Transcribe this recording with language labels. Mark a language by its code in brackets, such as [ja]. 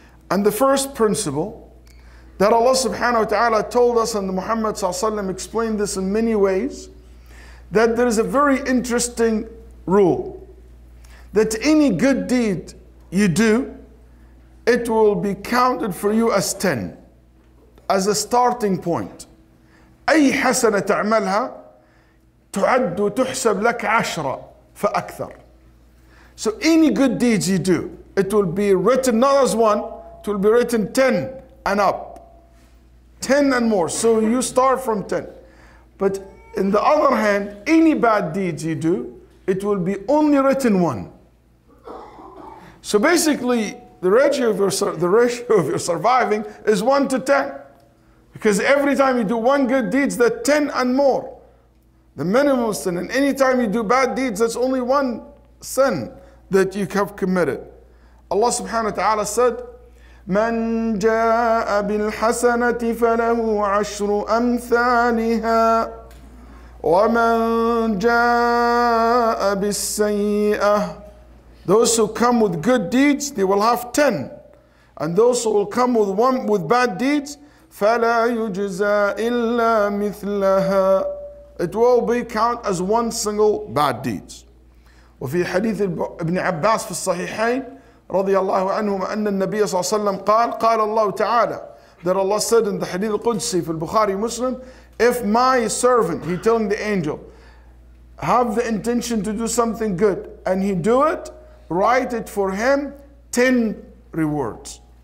[en] And the first principle that Allah subhanahu wa ta'ala told us, and the Muhammad ﷺ explained this in many ways, that there is a very interesting rule that any good deed you do, it will be counted for you as 10. As a starting point. [ar] أي حسنة تعملها تعد وتحسب لك عشرة فأكثر. [en] So any good deeds you do, it will be written not as one, it will be written 10 and up. 10 and more. So you start from 10. But in the other hand, any bad deeds you do, it will be only written one. So basically, the ratio of your surviving is 1 to 10. Because every time you do one good deed, that's 10 and more. The minimum sin. And any time you do bad deeds, that's only one sin that you have committed. Allah subhanahu wa ta'ala said, [ar] مَنْ جَاءَ بِالْحَسَنَةِ فَلَهُ عَشْرُ أَمْثَالِهَا وَمَنْ جَاءَ بِالسَّيِّئَةِ. [en] Those who come with good deeds, they will have 10. And those who will come with bad deeds, [ar] فَلَا يُجْزَى إِلَّا مِثْلَهَا. [en] It will be count as one single bad deed. [ar] وفي حديث ابن عباس في الصحيحين رضي الله عنهما أن النبي صلى الله عليه وسلم قال قال الله تعالى, [en] that Allah said in the hadith [ar] القدسي في البخاري مسلم, [en] if my servant, he telling the angel, have the intention to do something good and he do it, write it for him 10 rewards.